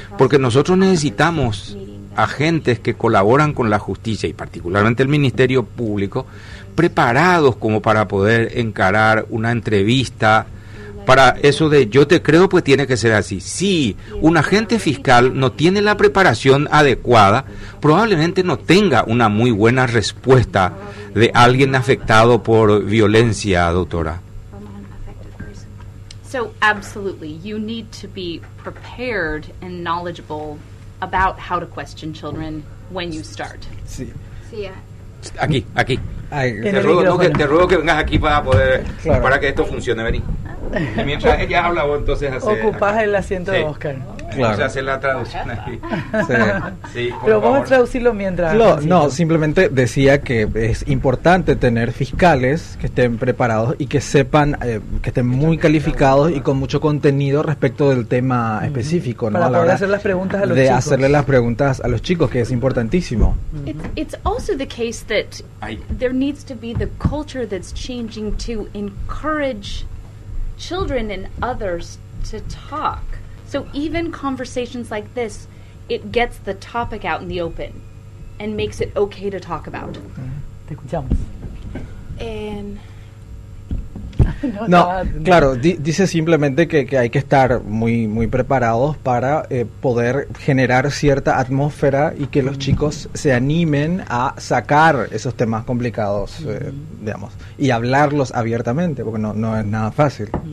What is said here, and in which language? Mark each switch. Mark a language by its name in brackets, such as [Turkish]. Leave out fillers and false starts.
[Spanish] Porque nosotros necesitamos agentes que colaboran con la justicia y particularmente el Ministerio Público, preparados como para poder encarar una entrevista. Para eso de yo te creo, pues tiene que ser así. Si un agente fiscal no tiene la preparación adecuada, probablemente no tenga una muy buena respuesta de alguien afectado por violencia, doctora. [English] So absolutely, you need to be prepared and knowledgeable about how to question children when you start. [Spanish] Sí. Aquí. Te ruego que vengas aquí para poder, claro, para que esto funcione, vení. Y mientras ella habla, vos entonces haces... Ocupás el asiento, sí, de Oscar. Claro. Vamos a hacer la traducción aquí. Sí. Sí, pero vamos a traducirlo mientras... No, simplemente decía que es importante tener fiscales que estén preparados y que sepan, que estén muy calificados y con mucho contenido respecto del tema específico, ¿no? Para poder hacer las preguntas a los chicos. De hacerle las preguntas a los chicos, que es importantísimo. [English] It's also the case that there needs to be the culture that's changing to encourage children and others to talk. So even conversations like this, it gets the topic out in the open and makes it okay to talk about. [Spanish] Te escuchamos. No, no, no, claro, dice simplemente que hay que estar muy, muy preparados para poder generar cierta atmósfera y que los chicos se animen a sacar esos temas complicados, digamos, y hablarlos abiertamente, porque no es nada fácil.